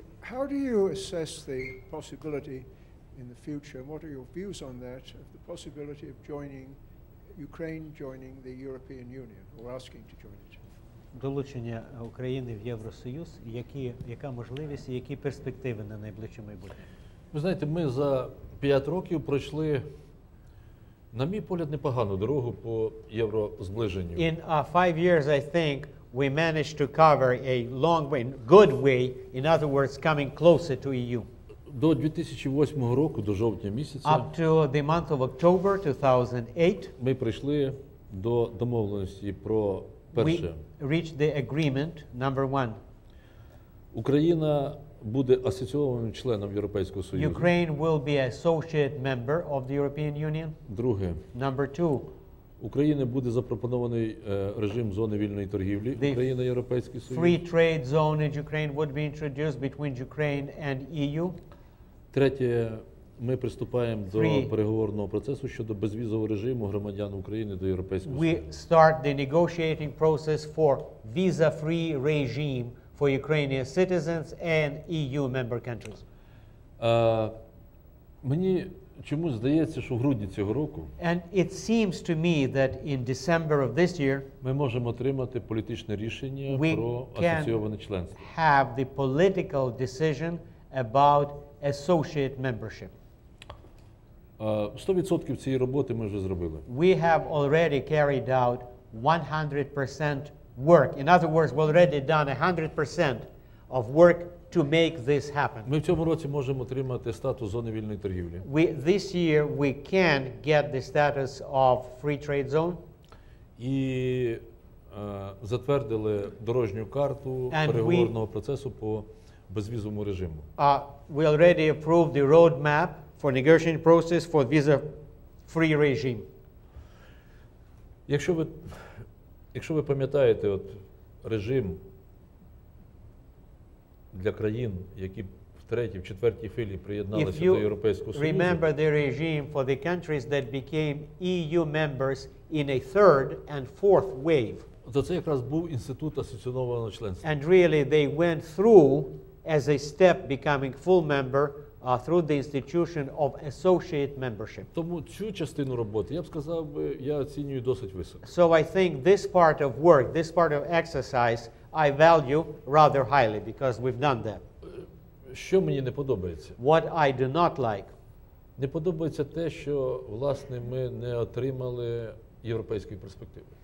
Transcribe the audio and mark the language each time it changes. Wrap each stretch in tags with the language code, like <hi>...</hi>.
<en>How do you assess the possibility in the future, and what are your views on that, of the possibility of joining Ukraine joining the European Union or asking to join it?</en> <uk>Долучення України в Євросоюз, яка можливість і які перспективи на найближче майбутнє? Ви знаєте, ми за 5 років пройшли, на мій погляд, непогану дорогу по єврозближенню.</uk> <en>In 5 years, I think, we managed to cover a long way, good way, in other words, coming closer to EU.</en> <uk>До 2008 року, до жовтня місяця.</uk> <en>Up to the month of October 2008.</en> <uk>Ми прийшли до домовленості про перше.</uk> <en>We reached the agreement number one.</en> <uk>Україна буде асоційованим членом Європейського Союзу.</uk> <en>Ukraine will be associate member of the European Union.</en> <uk>Друге.</uk> <en>Number two.</en> <uk>України буде запропонований режим зони вільної торгівлі Україна Європейський Союз.</uk> <en>Free trade zone in Ukraine would be introduced between Ukraine and EU.</en> <uk>Третє, ми приступаємо до переговорного процесу щодо безвізового режиму громадян України до Європейського Союзу.</uk> <en>We start the negotiating process for visa-free regime for Ukrainian citizens and EU member countries.</en> <uk>Мені чомусь здається, що в грудні цього року</uk> <en>And it seems to me that in December of this year</en> <uk>ми можемо отримати політичне рішення про асоційоване членство.</uk> <en>We can have the political decision about associate membership.</en> <uk>100% цієї роботи ми вже зробили.</uk> <en>We have already carried out 100% work. In other words, we've already done 100% of work to make this happen.</en> <uk>Ми в цьому році можемо отримати статус зони вільної торгівлі.</uk> <en>This year we can get the status of free trade zone.</en> <uk>І затвердили дорожню карту переговорного процесу по безвізовому режиму.</uk> <en>We already approved the roadmap for negotiating process for visa-free regime.</en> <uk>Якщо ви пам'ятаєте от режим для країн, які в третій, в четвертій хвилі приєдналися до Європейського Союзу.</uk> <en>Remember the regime for the countries that became EU members in a third and fourth wave.</en> <uk>То це якраз був інститут асоційованого членства.</uk> <en>And really they went through as a step becoming full member through the institution of associate membership.</en> <uk>Тому цю частину роботи, я б сказав, я оцінюю досить високо.</uk> <en>So I think this part of work, this part of exercise, I value rather highly because we've done that.</en> <uk>Що мені не подобається?</uk> <en>What I do not like.</en> <uk>Не подобається те, що, власне, ми не отримали європейської перспективи.</uk>